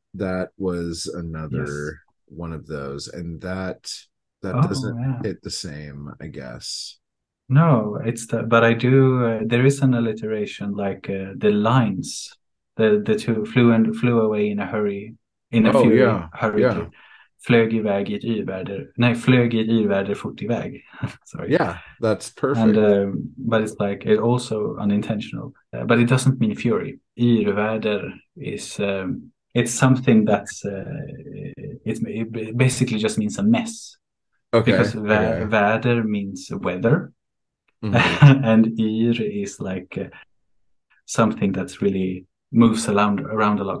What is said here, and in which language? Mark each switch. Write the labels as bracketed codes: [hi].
[en] That was another one of those. And that oh, doesn't hit the same, I guess. No, it's the, but I do, there is an alliteration, like the lines, the two, flew away in a hurry, in a oh, fury, yeah. hurried, Yeah. [sv] Flög iväg i ett yrväder, nej, flög i ett yrväder fort iväg. [en] Sorry. Yeah, that's and, perfect. but it's like, it also unintentional, but it doesn't mean fury. Yrväder is, it's something that's, it basically just means a mess. Okay. Because väder means weather, and yr is like something that's really moves around a lot.